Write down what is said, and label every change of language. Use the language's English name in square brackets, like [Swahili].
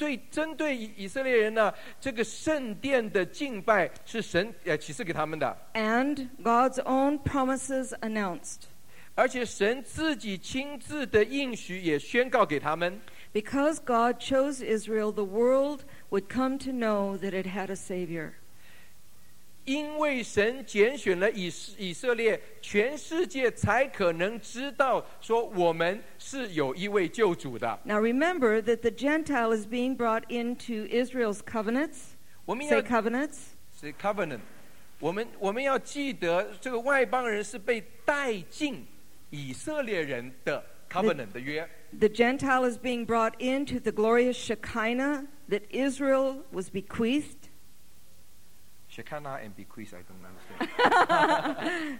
[Chinese] 针对以色列人呢，这个圣殿的敬拜是神启示给他们的。 [English] And God's own promises announced. [Chinese] 而且神自己亲自的应许也宣告给他们。 [English] Because God chose Israel, the world would come to know that it had a Savior. [Chinese] 因为神拣选了以色列，全世界才可能知道说我们是有一位救主的。 [English] Now remember that the Gentile is being brought into Israel's covenants. Say covenants. Say covenant. [Chinese] 我们要记得这个外邦人是被带进。以色列人的 covenant 的约 [English] the Gentile is being brought into the glorious Shekinah that Israel was bequeathed. Shekinah and bequeathed, I don't understand.